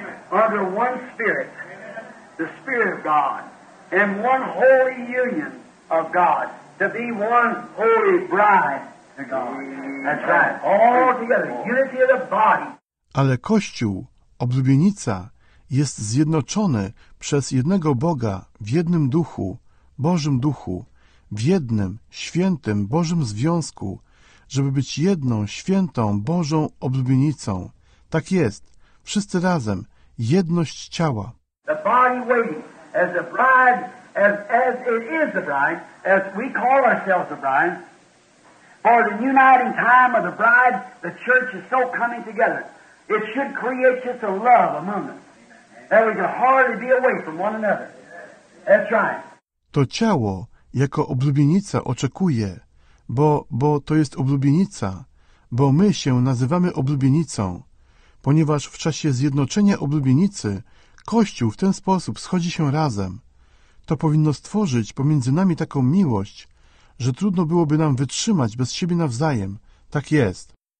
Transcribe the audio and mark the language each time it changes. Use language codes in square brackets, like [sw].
[en] Under one spirit, the spirit of God, and one holy union of God, to be one holy bride to God. That's right. All together, unity of the body. [pl] Ale Kościół, oblubienica, jest zjednoczony przez jednego Boga w jednym duchu, Bożym duchu, w jednym, świętym, Bożym związku, żeby być jedną, świętą, Bożą oblubienicą. Tak jest. Wszyscy razem. Jedność ciała. [en] The body waiting as a bride, as it is a bride, as we call ourselves a bride, for the uniting time of the bride, the church is so coming together. It should create just a love among us. That we can hardly be away from one another. That's right. [pl] To ciało jako oblubienica oczekuje, bo to jest oblubienica, bo my się nazywamy oblubienicą. Ponieważ w czasie zjednoczenia oblubienicy Kościół w ten sposób schodzi się razem. To powinno stworzyć pomiędzy nami taką miłość, że trudno byłoby nam wytrzymać bez siebie nawzajem. Tak jest.